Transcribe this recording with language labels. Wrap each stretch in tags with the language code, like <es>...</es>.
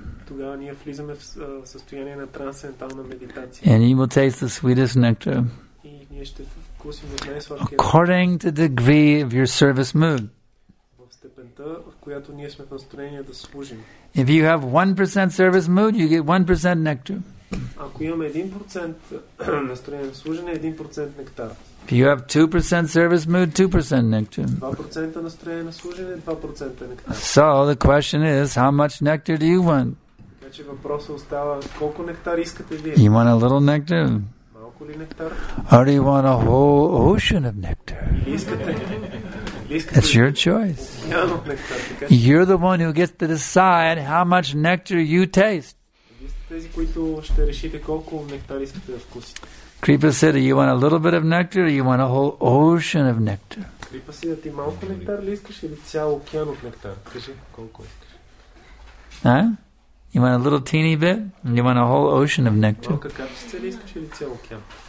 <bg>Тогава ние влизаме в състояние на трансцендентална медитация.</bg> <en>And you will taste the sweetest nectar.</en> <bg>И ние ще вкусим от най-сладкия.</bg> <en>According to the degree of your service mood.</en> <bg>В степента, в която ние сме в настроение да служим.</bg> <en>If you have 1% service mood, you get 1% nectar.</en> <bg>Ако имаме 1% настроение на служене, 1% нектар.</bg> <en>If you have 2% service mood, 2% nectar.</en> <bg>2% настроение на служене, 2% нектар.</bg> <en>So the question is, how much nectar do you want?</en> <bg>Значи въпросът остава, колко нектар искате вие?</bg> <en>You want a little nectar?</en> <bg>Малко ли нектар?</bg> <en>Or do you want a whole ocean of nectar?</en> <bg>Искате?</bg> <en>It's your choice. You're the one who gets to decide how much nectar you taste.</en> <bg>Тези, които ще решите колко нектар искате да вкусите.</bg> <en>Kripa Siddha, you want a little bit of nectar or you want a whole ocean of nectar?</en> <bg>Kripa Siddha, ти малко нектар ли искаш или цял океан от нектар? Кажи, колко искаш.</bg> <en>You want a little teeny bit or you want a whole ocean of nectar?</en> <bg>Малка капчица ли искаш или цял океан?</bg>